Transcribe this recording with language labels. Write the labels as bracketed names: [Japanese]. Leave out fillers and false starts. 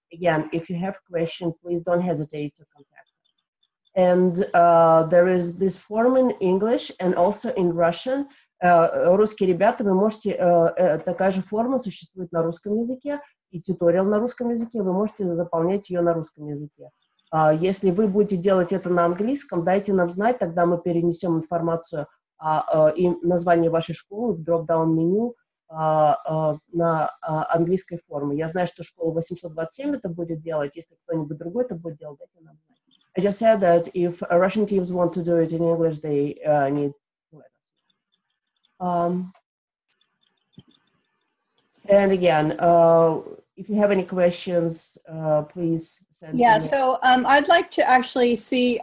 [English] Again, if you have questions, please don't hesitate to contact us. And there is this form in English and also in Russian. [Russian] Русские ребята, вы можете такая же форма существует на русском языке и tutorial на русском языке. Вы можете заполнять ее на русском языке. Если вы будете делать это на английском, дайте нам знать, тогда мы перенесем информацию и название вашей школы в drop-down меню. На английской форме. Я знаю, что школа 827 это будет делать. Если кто-нибудь другой это будет делать, дайте нам знать. [English] I just said that if Russian teams want to do it in English, they need to let us. And again, if you have any questions, please send. Yeah. So I'd like to actually see.